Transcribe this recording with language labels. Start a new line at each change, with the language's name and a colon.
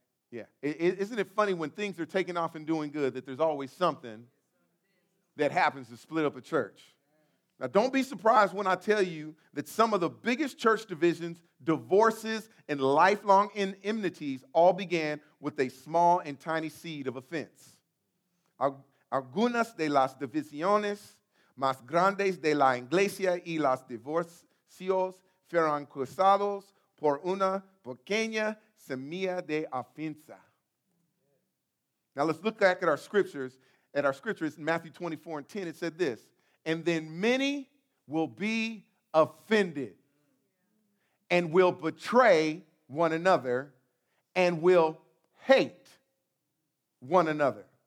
English: Yeah, isn't it funny when things are taking off and doing good that there's always something that happens to split up a church. Now, don't be surprised when I tell you that some of the biggest church divisions, divorces, and lifelong enmities all began with a small and tiny seed of offense.
Spanish: Algunas de las divisiones más grandes de la iglesia y los divorcios fueron causados por una pequeña semilla de ofensa.
English: Now let's look back at our scriptures. At our scriptures in Matthew 24 and 10, it said this: "And then many will be offended and will betray one another and will hate one another."